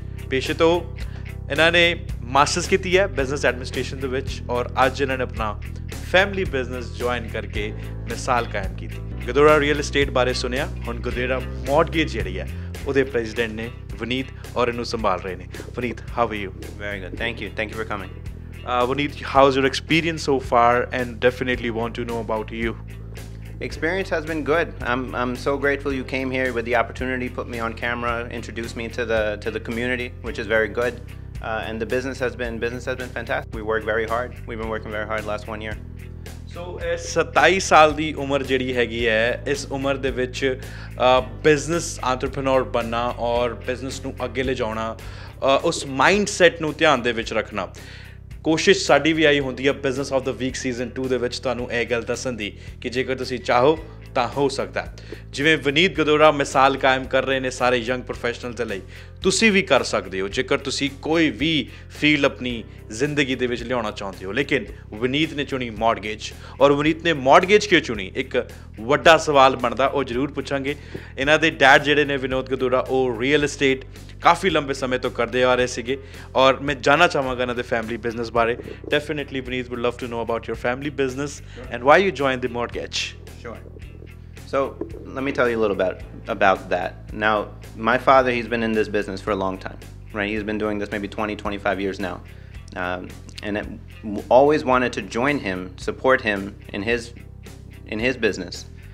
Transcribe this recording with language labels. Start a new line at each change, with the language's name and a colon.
Punjabi: ਪੇਸ਼ੇ ਤੋਂ ਇਹਨਾਂ ਨੇ ਮਾਸਟਰਸ ਕੀਤੀ ਹੈ ਬਿਜ਼ਨਸ ਐਡਮਿਨਿਸਟ੍ਰੇਸ਼ਨ ਦੇ ਵਿੱਚ ਔਰ ਅੱਜ ਇਹਨਾਂ ਨੇ ਆਪਣਾ ਫੈਮਿਲੀ ਬਿਜ਼ਨਸ ਜੁਆਇਨ ਕਰਕੇ ਮਿਸਾਲ ਕਾਇਮ ਕੀਤੀ। ਗਦੋੜਾ ਰੀਅਲ ਇਸਟੇਟ ਬਾਰੇ ਸੁਣਿਆ, ਹੁਣ ਗਦੋੜਾ ਮੌਡਗੇਜ ਜਿਹੜੀ ਹੈ ਉਹਦੇ ਪ੍ਰੈਜੀਡੈਂਟ ਨੇ ਵਿਨੀਤ ਔਰ ਇਹਨੂੰ ਸੰਭਾਲ ਰਹੇ ਨੇ।
English: Vineet, how are you? Very good, thank you, thank you for coming. Vineet, how is your experience so far and definitely want to know about you? Experience has been good. I'm so grateful you came here with the opportunity, put me on camera, introduce me to the community, which is very good. And the business has been fantastic. We work very hard. We've been working very hard last 1 year.
Punjabi: So 27 saal di umar jehdi hegi hai, is umar de vich business entrepreneur banna aur business nu agge le jana, us mindset nu dhyan de vich rakhna, ਕੋਸ਼ਿਸ਼ ਸਾਡੀ ਵੀ ਆਈ ਹੁੰਦੀ ਹੈ business of the week season 2 ਦੇ ਵਿੱਚ ਤੁਹਾਨੂੰ ਇਹ ਗੱਲ ਦੱਸਣ ਦੀ ਕਿ ਜੇਕਰ ਤੁਸੀਂ ਚਾਹੋ ਤਾਂ ਹੋ ਸਕਦਾ। ਜਿਵੇਂ ਵਿਨੀਤ ਗਦੋੜਾ ਮਿਸਾਲ ਕਾਇਮ ਕਰ ਰਹੇ ਨੇ ਸਾਰੇ ਯੰਗ ਪ੍ਰੋਫੈਸ਼ਨਲ ਦੇ ਲਈ, ਤੁਸੀਂ ਵੀ ਕਰ ਸਕਦੇ ਹੋ ਜੇਕਰ ਤੁਸੀਂ ਕੋਈ ਵੀ ਫੀਲਡ ਆਪਣੀ ਜ਼ਿੰਦਗੀ ਦੇ ਵਿੱਚ ਲਿਆਉਣਾ ਚਾਹੁੰਦੇ ਹੋ। ਲੇਕਿਨ ਵਿਨੀਤ ਨੇ ਚੁਣੀ ਮੌਡਗੇਜ, ਔਰ ਵਿਨੀਤ ਨੇ ਮੌਡਗੇਜ ਕਿਉਂ ਚੁਣੀ ਇੱਕ ਵੱਡਾ ਸਵਾਲ ਬਣਦਾ, ਉਹ ਜ਼ਰੂਰ ਪੁੱਛਾਂਗੇ। ਇਹਨਾਂ ਦੇ ਡੈਡ ਜਿਹੜੇ ਨੇ ਵਿਨੋਦ ਗਦੋੜਾ, ਉਹ ਰੀਅਲ ਇਸਟੇਟ ਕਾਫੀ ਲੰਬੇ ਸਮੇਂ ਤੋਂ ਕਰਦੇ ਆ ਰਹੇ ਸੀਗੇ ਔਰ ਮੈਂ ਜਾਣਨਾ ਚਾਹਾਂਗਾ ਇਹਨਾਂ ਦੇ ਫੈਮਿਲੀ ਬਿਜ਼ਨਸ ਬਾਰੇ।
English: Definitely Vineet, would love to know about your family business and why you join the mortgage. So let me tell you a little bit about that. Now, my father, he's been in this business for a long time, right? He's been doing this maybe 20, 25 years now. And I always wanted to join him, support him in his business.